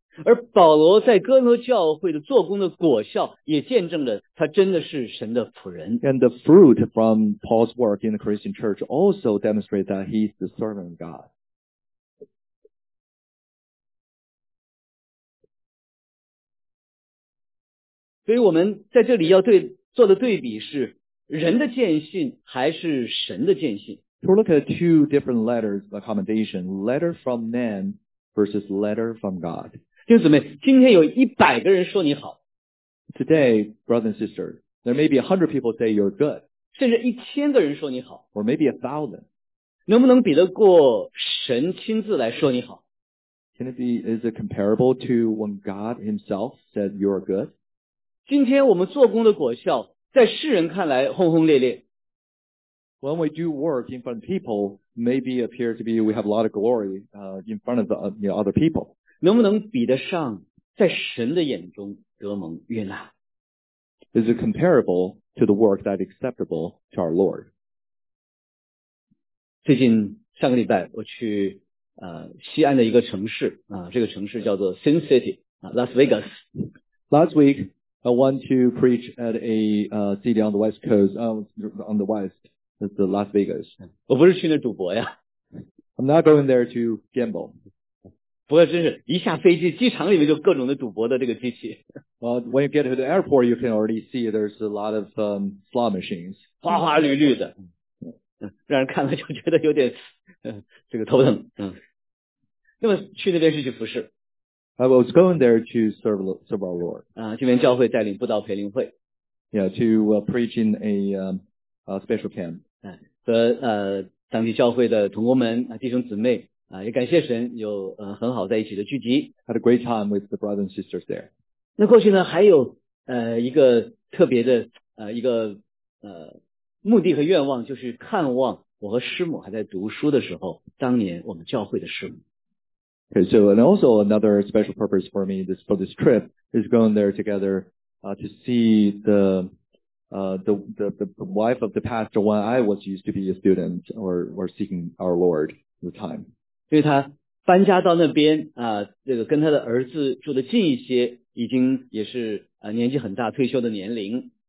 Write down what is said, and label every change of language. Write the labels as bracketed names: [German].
[Chinese] 而保罗在哥罗教会的做工的果效也见证了他真的是神的仆人。 [English] And the fruit from Paul's work in the Christian church also demonstrates that he's the servant of God. [Chinese] 所以我们在这里要对做的对比是人的见信还是神的见信。 [English] So look at two different letters of commendation, letter from man versus letter from God. [Chinese] 弟兄姊妹，今天有一百个人说你好。 [English] Today, brother and sister, there may be 100 people say you're good. [Chinese] 甚至一千个人说你好。 [English] Or maybe 1,000. [Chinese] 能不能比得过神亲自来说你好？ [English] Can it be, is it comparable to when God himself said you're good? [Chinese] 今天我们做工的果效在世人看来轰轰烈烈。 [English] When we do work in front of people, maybe appear to be we have a lot of glory, in front of the, you know, other people. [Chinese] 能不能比得上在神的眼中得蒙悦纳？ [English] Is it comparable to the work that's acceptable to our Lord? [Chinese] 最近上个礼拜我去西安的一个城市这个城市叫做 Sin City, Las Vegas. [English] Last week, I went to preach at a city on the west coast, on the west. The Las Vegas. [Chinese] 我不是去那赌博呀。 [English] I'm not going there to gamble. [Chinese] 不过真是一下飞机机场里面就各种的赌博的这个机器。 [English] Well, when you get to the airport, you can already see there's a lot of slot machines. [Chinese] 花花绿绿的。让人看了就觉得有点这个头疼。那么去那边是去服侍。 [English] I was going there to serve our Lord. [Chinese] 这边教会带领布道培灵会。 [English] Yeah, to preach in a,special camp. [Chinese] 和当地教会的同工们弟兄姊妹也感谢神有很好在一起的聚集。 [English] Had a great time with the brothers and sisters there. [Chinese] 那过去呢还有一个特别的一个目的和愿望，就是看望我和师母还在读书的时候当年我们教会的师母。 [English] Okay, so, and also another special purpose for me this, for this trip is going there together, to see the wife of the pastor when I was used to be a student or seeking our Lord at the time. [Chinese] 所以他搬家到那边这个跟他的儿子住得近一些，已经也是年纪很大退休的年龄。